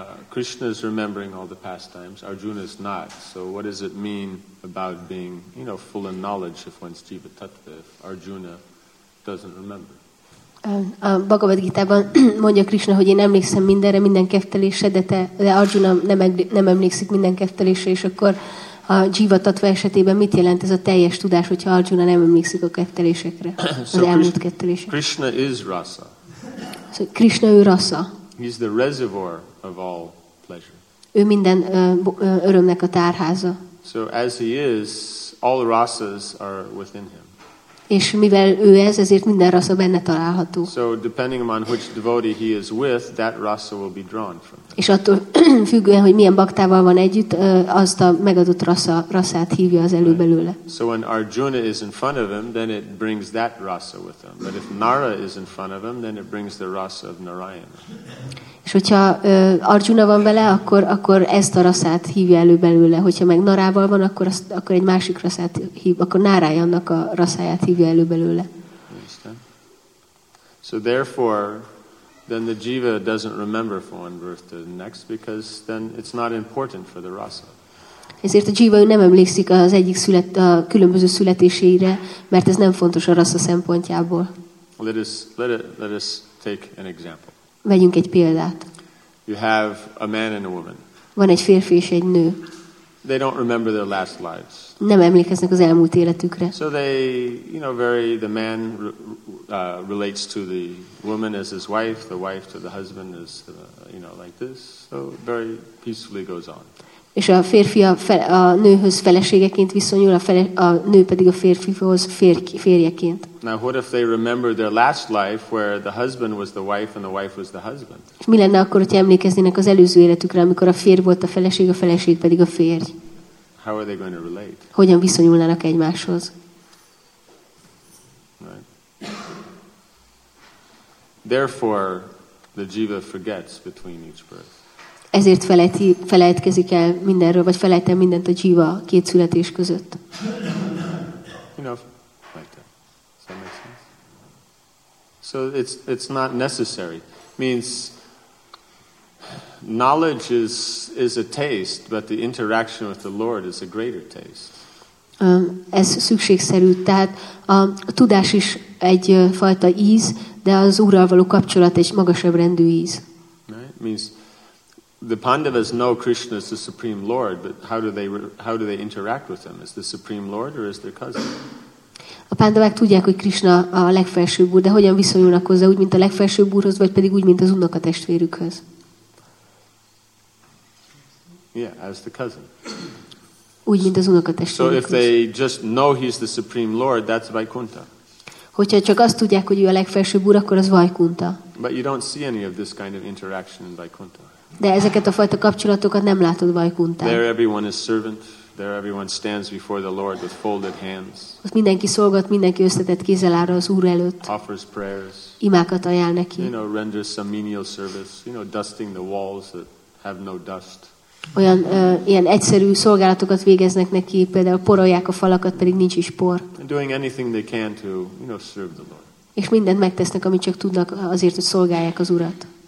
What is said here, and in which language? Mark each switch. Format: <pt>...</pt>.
<en>Krishna is remembering all the pastimes, Arjuna is not. So what does it mean about being, you know, full in knowledge if one's jiva tattva, if Arjuna doesn't remember?</en> <hu>A Bhagavad Gita-ban mondja Krishna, hogy én emlékszem mindenre, minden keftelésre, de Arjuna nem emlékszik minden keftelésre, és akkor a jiva tattva esetében mit jelent ez a teljes tudás, hogyha Arjuna nem emlékszik a keftelésekre, az</hu> <en>so</en> <hu>elmúlt keftelésekre?</hu> <en>Krishna is rasa.</en> <hu>So Krishna ő rasa.</hu> <en>He's the reservoir of all pleasure.</en> <hu>Ő minden örömnek a tárháza.</hu> <en>So as he is, all rasas are within him.</en> <hu>És mivel ő ez, ezért minden rasa benne található.</hu> <en>So depending on which devotee he is with, that rasa will be drawn from him.</en> <hu>És attól függően, hogy milyen baktával van együtt, azt a megadott rasát hívja az elő belőle.</hu> <en>Right. So when Arjuna is in front of him, then it brings that rasa with him. But if Nara is in front of him, then it brings the rasa of Narayana.</en> <hu>És hogyha Arjuna van vele, akkor ezt a rasát hívja elő belőle. Hogyha meg Narával van, akkor egy másik rasát hív, akkor Narayannak a rasáját hívja elő belőle.</hu> <en>So therefore, then the jiva doesn't remember from one birth to the next, because then it's not important for the rasa.</en> <hu>Ezért a jiva nem emlékszik az egyik a különböző születéseire, mert ez nem fontos a rasa szempontjából.</hu> <en>Let us take an example.</en> <hu>Vegyünk egy példát.</hu> <en>You have a man and a woman.</en> <hu>Van egy férfi és egy nő.</hu> <en>They don't remember their last lives.</en> <hu>Nem emlékeznek az elmúlt életükre.</hu> <en>So they, you know, the man relates to the woman as his wife, the wife to the husband as, you know, like this. So very peacefully goes on.</en> <hu>És a férfi a nőhöz feleségeként viszonyul, a nő pedig a férfihoz férjeként.</hu> <en>Now what if they remember their last life where the husband was the wife and the wife was the husband?</en> <hu>És mi lenne akkor, hogyha emlékeznének az előző életükre, amikor a férj volt a feleség pedig a férj?</hu> <en>How are they going to relate?</en> <hu>Hogyan viszonyulnának egymáshoz?</hu> <en>Right. Therefore, the jiva forgets between each birth.</en> <hu>Ezért felejtkezik el mindenről, vagy felejt el mindent a jiva két születés között.</hu> <en>You know, like that. Does that make sense? So it's not necessary. Means knowledge is a taste, but the interaction with the Lord is a greater taste.</en> <hu>Ez szükségszerű. Tehát a tudás is egy fajta íz, de az Úrral való kapcsolat egy magasabb rendű íz.</hu> <en>Right? Means the Pandavas know Krishna is the supreme Lord, but how do they interact with him? Is the supreme Lord or is their cousin?</en> <hu>A Pandavák tudják, hogy Krishna a legfelsőbb úr, de hogyan viszonyulnak hozzá, úgy mint a legfelsőbb úrhoz, vagy pedig úgy mint az unokatestvérükhöz?</hu> <en>Yeah, as the cousin.</en> <hu>Úgy mint az unokatestvérükhöz.</hu> <en>So if they just know he's the supreme Lord, that's Vaikuntha.</en> <hu>Hogyha csak azt tudják, hogy ő a legfelsőbb úr, akkor az Vaikuntha.</hu> <en>But you don't see any of this kind of interaction in Vaikuntha.</en> <hu>De ezeket a fajta kapcsolatokat nem látod Vaikuntán.</hu> <en>There everyone is servant. There everyone stands before the Lord with folded hands.</en> <hu>Ott mindenki szolgat, mindenki összetett kézzel áll az Úr előtt.</hu> <en>Offers prayers.</en> <hu>Imákat ajánl neki.</hu> <en>You know, renders some menial service. You know, dusting the walls that have no dust.</en> <hu>olyan ilyen egyszerű szolgálatokat végeznek neki, például porolják a falakat, pedig nincs is por.</hu> <en>And doing anything they can to, you know, serve the Lord.</en> <hu>És mindent megtesznek, amit csak tudnak azért, hogy szolgálják az Urat.</hu>